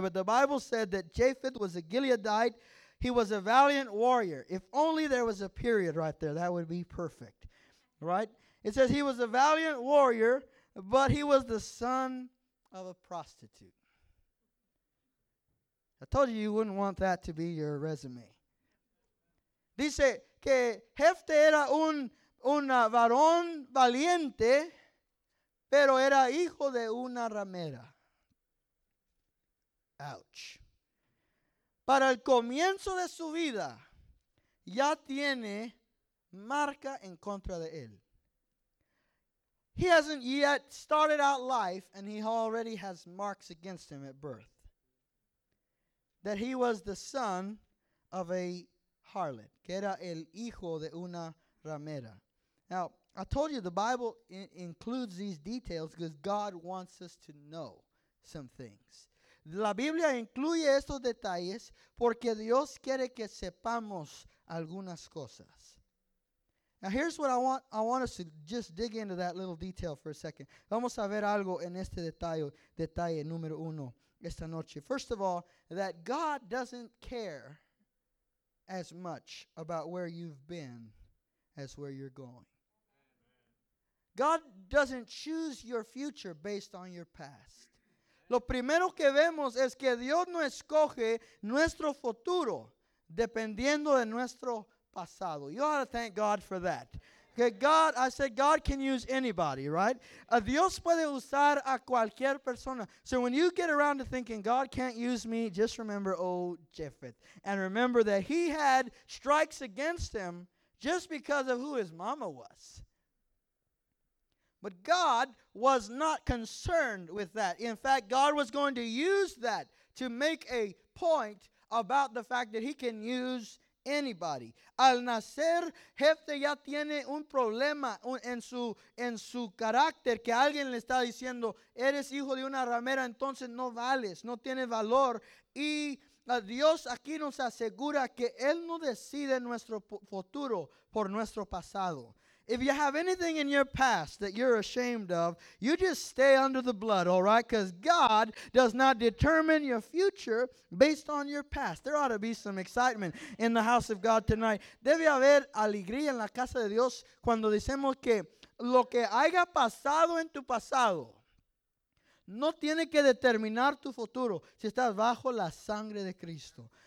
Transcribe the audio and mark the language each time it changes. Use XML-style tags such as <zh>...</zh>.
<en>But the Bible said that Japheth was a Gileadite. He was a valiant warrior. If only there was a period right there, that would be perfect, right? It says he was a valiant warrior, but he was the son of a prostitute. I told you you wouldn't want that to be your resume.</en> <es>Dice que Jephthah era un varón valiente, pero era hijo de una ramera. Ouch. Para el comienzo de su vida, ya tiene marca en contra de él.</es> <en>He hasn't yet started out life, and he already has marks against him at birth. That he was the son of a harlot,</en> <es>que era el hijo de una ramera.</es> <en>Now, I told you the Bible includes these details because God wants us to know some things.</en> <es>La Biblia incluye estos detalles porque Dios quiere que sepamos algunas cosas.</es> <en>Now here's what I want us to just dig into that little detail for a second.</en> <es>Vamos a ver algo en este detalle número uno esta noche.</es> <en>First of all, that God doesn't care as much about where you've been as where you're going. God doesn't choose your future based on your past.</en> <es>Lo primero que vemos es que Dios no escoge nuestro futuro dependiendo de nuestro pasado.</es> <en>You ought to thank God for that. Okay, God, I said God can use anybody, right?</en> <es>Dios puede usar a cualquier persona.</es> <en>So when you get around to thinking God can't use me, just remember old Japheth. And remember that he had strikes against him just because of who his mama was. But God was not concerned with that. In fact, God was going to use that to make a point about the fact that he can use anybody.</en> <es>Al nacer, Jephthah ya tiene un problema en su carácter, que alguien le está diciendo, eres hijo de una ramera, entonces no vales, no tienes valor. Y Dios aquí nos asegura que Él no decide nuestro futuro por nuestro pasado.</es> <en>If you have anything in your past that you're ashamed of, you just stay under the blood, all right? Because God does not determine your future based on your past. There ought to be some excitement in the house of God tonight.</en> <es>Debe haber alegría en la casa de Dios cuando decimos que lo que haya pasado en tu pasado no tiene que determinar tu futuro si estás bajo la sangre de Cristo.</es>